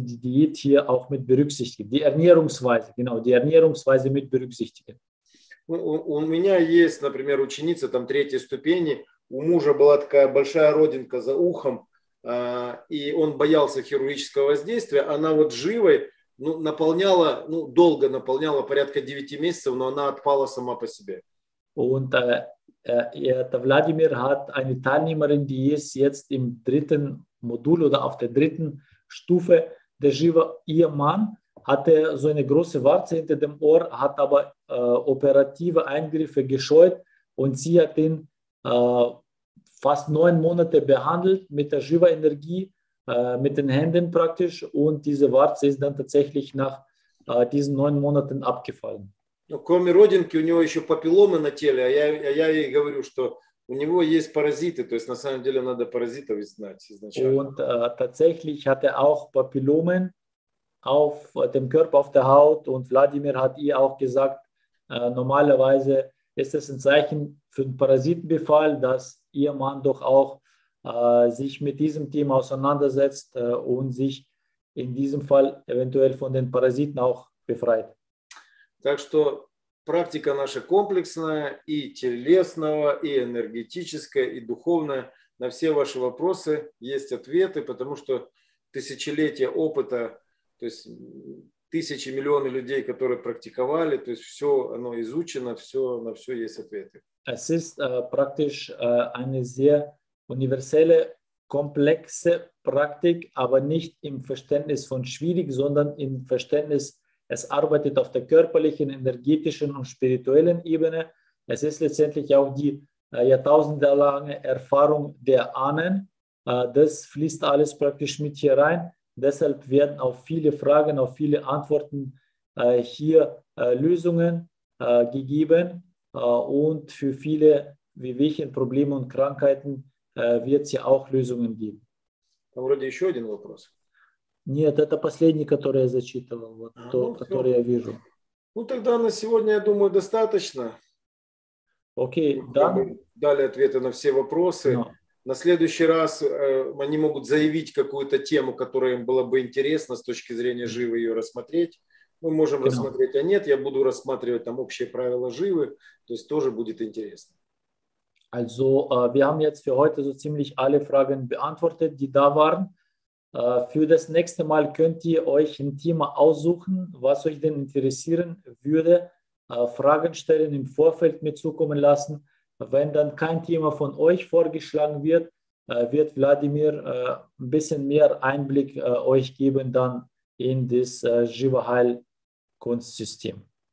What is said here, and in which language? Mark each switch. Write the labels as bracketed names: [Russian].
[German] die Diät hier auch mit berücksichtigen. Die Ernährungsweise, genau, die Ernährungsweise mit berücksichtigen. [Russian] У меня есть, например, ученица там третьей ступени. У мужа была такая большая родинка за ухом, и он боялся хирургического воздействия. Она вот живой, ну, наполняла, ну, долго наполняла, порядка 9 месяцев, но она отпала сама по себе. [German] Und это Владимир hat eine Teilnehmerin, die ist jetzt im dritten Modul oder auf der dritten Stufe der Jiva. Ihr Mann hatte so eine große Warze hinter dem Ohr, hat aber operative Eingriffe gescheut und sie hat den fast 9 Monate behandelt mit der Jiva-Energie, mit den Händen praktisch, und diese Warze ist dann tatsächlich nach diesen 9 Monaten abgefallen. [Russian] Ну, кроме родинки, у него еще папилломы на теле, а я ей говорю, что у него есть паразиты, то есть на самом деле надо паразитов знать изначально. [German] Und tatsächlich hat auch Papillomen auf dem Körper, auf der Haut, und Vladimir hat ihr auch gesagt, normalerweise ist es ein Zeichen für einen Parasitenbefall, dass ihr Mann doch auch sich mit diesem Thema auseinandersetzt und sich in diesem Fall eventuell von den Parasiten auch befreit. [Russian] Так что практика наша комплексная, и телесного, и энергетическая, и духовная. на все ваши вопросы есть ответы, потому что тысячелетия опыта, то есть тысячи, миллионы людей, которые практиковали, то есть все оно изучено, все, на все есть ответы. [German] Es ist praktisch eine sehr universelle, komplexe Praktik, aber nicht im Verständnis von schwierig, sondern im Verständnis, es arbeitet auf der körperlichen, energetischen und spirituellen Ebene. Es ist letztendlich auch die jahrtausendelange Erfahrung der Ahnen. Das fließt alles praktisch mit hier rein. Deshalb werden auf viele Fragen, auf viele Antworten hier Lösungen gegeben. Und für viele wie welche Probleme und Krankheiten wird es ja auch Lösungen geben. [Russian] Там вроде еще один вопрос. Нет, это последний, который я зачитывал, вот, то, ну, который все. Я вижу. Ну тогда на сегодня, я думаю, достаточно. Окей, мы дали ответы на все вопросы. No. На следующий раз они могут заявить какую-то тему, которая им была бы интересна с точки зрения живы ее рассмотреть. Мы можем рассмотреть, а нет, я буду рассматривать там общие правила живы, то есть тоже будет интересно. [German] Also, wir haben jetzt für heute so ziemlich alle Fragen beantwortet, die da waren. Für das nächste Mal könnt ihr euch ein Thema aussuchen, was euch denn interessieren würde. Fragen stellen, im Vorfeld mir zukommen lassen. Wenn dann kein Thema von euch vorgeschlagen wird, wird Wladimir ein bisschen mehr Einblick euch geben dann in das Jiva-Heil-Kunstsystem.